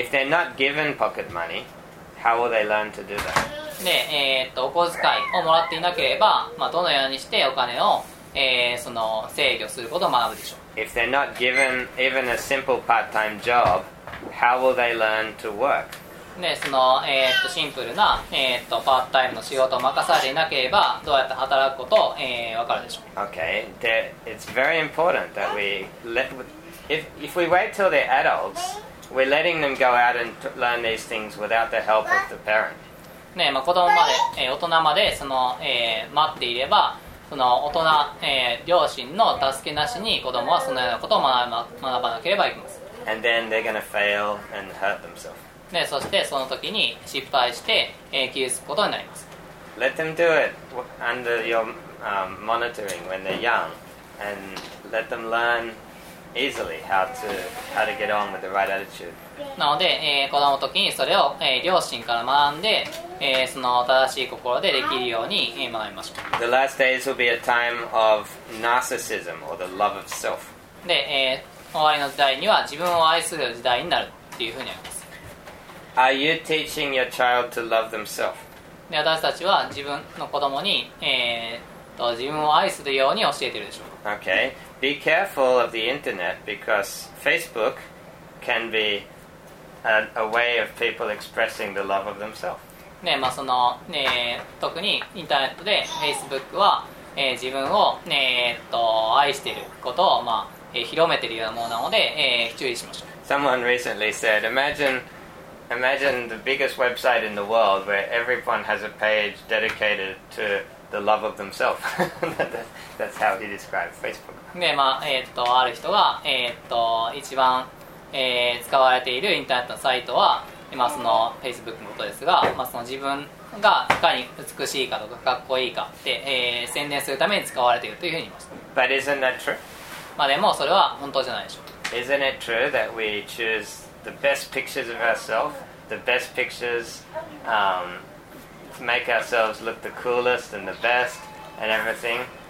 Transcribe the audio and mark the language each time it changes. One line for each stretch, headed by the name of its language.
English: If they're not given pocket money, how will they learn to do that?
Japanese: ね、お小遣いをもらっていなければ、まあ、どのようにしてお金を、その制御することを学ぶでしょう。
English: If they're not given even a simple part-time job, how will they learn to work?
Japanese: ね、その、シンプルな、パートタイムの仕事を任されていなければどうやって働くことを、分かるでしょう。
English: Okay. It's very important that we let if we wait till they're adults, we're letting them go out and learn these things without the help of the parent.
Japanese: ね、まあ、子供まで、大人までその、待っていればその大人、両親の助けなしに子供はそのようなことを学ばなければいけません。
English: And then they're gonna fail and hurt themselves.
Japanese: で、そしてその時に失敗して、傷つくことになります。
English: Let them do it under your、monitoring when they're young and let them learn easily how to get on with the right attitude.
Japanese: なので、子供の時にそれを、両親から学んで、その正しい心でできるように学びましょう。
English: The last days will be a time of narcissism or the love of self.
Japanese: で、終わりの時代には自分を愛する時代になるっていうふうに言います。
English: Are you teaching your child to love themselves?
Japanese: で、私たちは自分の子供に、自分を愛するように教えているでしょう。
English: Okay. Be careful of the internet because Facebook can be a way of people expressing the love of themselves.
Japanese: ね、まあそのね、特にインターネットで Facebook は、自分を、ね、愛していることを、まあ広めているようなものなので、注意しましょう。
English: Someone recently said imagine the biggest website in the world where everyone has a page dedicated to the love of themselves. That's how he described Facebook.
Japanese: ね、まあある人が、一番、使われているインターネットのサイトは今その Facebook のことですが、まあ、その自分がいかに美しいかとかかっこいいかって、宣伝するために使われているというふうに言いました。
English: But isn't that true?
Japanese: まあでもそれは本当じゃないでしょう。
English: Isn't it true that we choose the best pictures of ourselves, the best pictures, to make ourselves look the coolest and the best and everything?